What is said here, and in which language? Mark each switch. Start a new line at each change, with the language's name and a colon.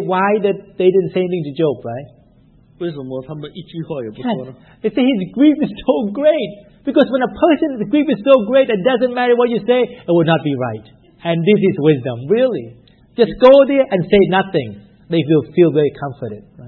English: Why that they didn't say anything to Job, right?
Chinese: 为什么他们一句话也不说呢?
English: They say his grief is so great. Because when a person's grief is so great, it doesn't matter what you say, it will not be right. And this is wisdom, really. Just go there and say nothing. They will feel very comforted.